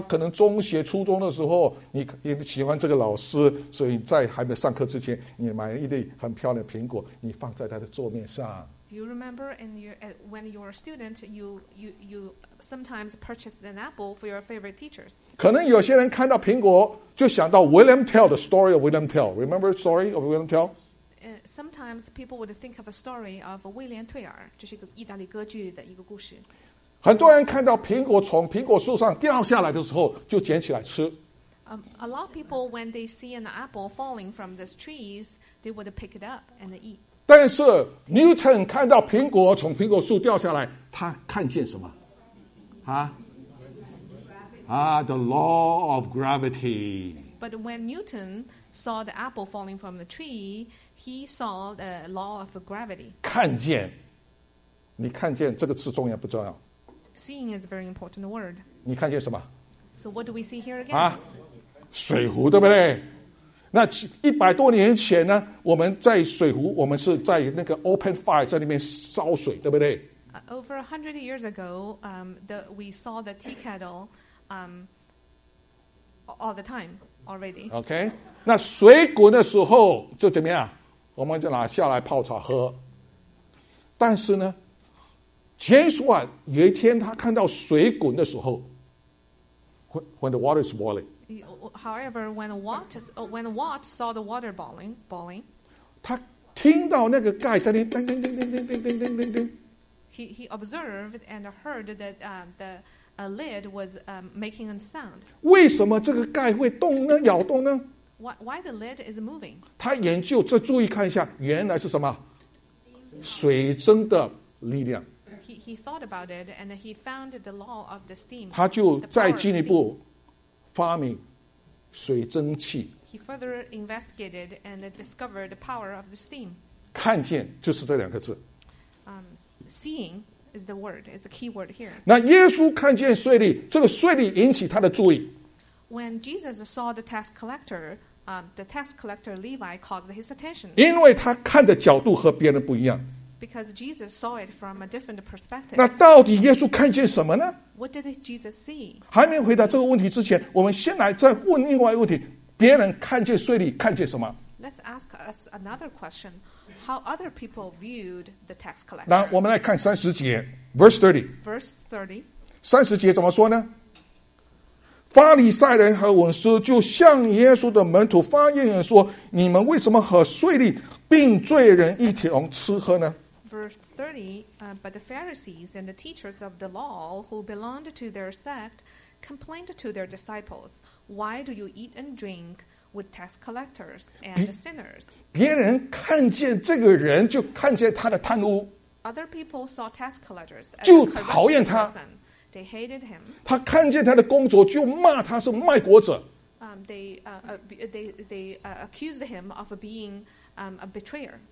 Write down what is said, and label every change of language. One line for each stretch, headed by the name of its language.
Chinese: 可能中学、初中的时候，你喜欢这个老师，所以在还没上课之前，你买了一粒很漂亮的苹果，你放在他的桌面上。
English: Do you remember when you were a student, you sometimes purchased an apple for your favorite teachers?
Chinese: 可能有些人看到苹果就想到 William Tell,
English: the story of William Tell. Remember the story of William Tell? Sometimes people would think of a story of William Tell,
Chinese: 就是一个意大利歌剧的一个故事。很多人看到苹果从苹果树上掉下来的时候就捡起来吃。
English: A lot of people, when they see an apple falling from the trees, they would pick it up and eat.
Chinese: 但是 Newton 看到苹果从苹果树掉下来，他看见什么？
English: The law of gravity. But when Newton saw the apple falling from the tree, he saw the law of gravity.
Chinese: 看见，你看见这个词重要不重要？
English: Seeing is a very important word.
Chinese: 你看见什么？
English: So what do we see here again?
Chinese: 水壶对不对？那100多年前呢，我们在水壶，我们是在那个
English: open fire
Chinese: 在里面烧水，对不对？
English: Over 100 years ago, we saw the tea kettle, all the time already.
Chinese: Okay, 那水滚的时候就怎么样？我们就拿下来泡茶喝。但是呢，James Watt有一天他看到水滚的时候 ，
English: when the water is boiling。 However, when Watt saw the water boiling,
Chinese: 他听到那个盖在那叮叮叮叮叮叮叮叮叮叮叮。
English: He observed and heard that the lid was making a sound.
Chinese: 为什么这个盖会动呢？摇动呢
English: ？Why the lid is moving?
Chinese: 他研究，再注意看一下，原来是什么？水蒸的力量。
English: He thought about it and he found the law of the steam.
Chinese: 他就再进一步发明。水蒸气。
English: He further investigated and discovered the power of the steam.
Chinese: 看见就是这两个字。
English: Seeing is the word, is the key word here.
Chinese: 那耶稣看见税吏，这个税吏引起他的注意。
English: When Jesus saw the tax collector, the tax collector Levi caused his attention.
Chinese: 因为他看的角度和别人不一样。
English: Because Jesus saw it from a different perspective.
Chinese: 那到底耶稣看见什么呢？
English: What did Jesus see?
Chinese: 还没回答这个问题之前，我们先来再问另外一个问题：别人看见税吏看见什么？
English: Let's ask us another question: How other people viewed the tax collector?
Chinese: 那我们来看30节 ，
English: verse 30。
Chinese: 三十节怎么说呢？法利赛人和文士就向耶稣的门徒发言说：“你们为什么和税吏并罪人一同吃喝呢？”
English: Verse 30, but the Pharisees and the teachers of the law who belonged to their sect complained to their disciples, "Why do you eat and drink with tax collectors and sinners?"
Chinese: 别人看见这个人就看见他的贪污。
English: Other people saw tax collectors as
Chinese: 就讨厌他。
English: They hated him.
Chinese: 他看见他的工作就骂他是卖国者。
English: They accused him of being a betrayer.